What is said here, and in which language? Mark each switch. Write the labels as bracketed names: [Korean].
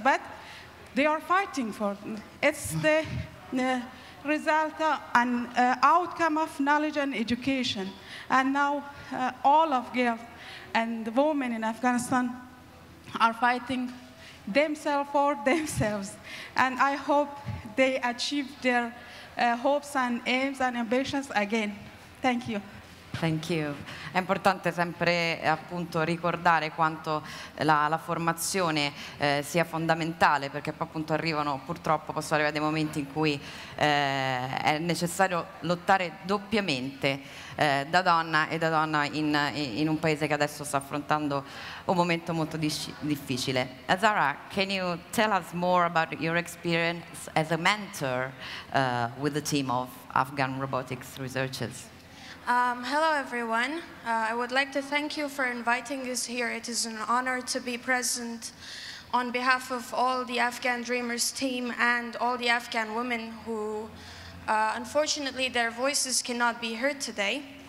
[English] But they are fighting for it. It's the result and outcome of knowledge and education. And now all of girls and the women in Afghanistan are fighting themselves for themselves. And I hope they achieve their hopes and aims and ambitions again. Thank you. Thank you. [Italian] È importante sempre appunto ricordare quanto la formazione sia fondamentale, perché poi appunto arrivano, purtroppo possono arrivare dei momenti in cui è necessario lottare doppiamente da donna e da donna in un paese che adesso sta affrontando un momento molto difficile. [English] Azara, can you tell us more about your experience as a mentor with the team of Afghan robotics researchers? Hello everyone. I would like to thank you for inviting us here. It is an honor to be present on behalf of all the Afghan Dreamers team and all the Afghan women who unfortunately their voices cannot be heard today.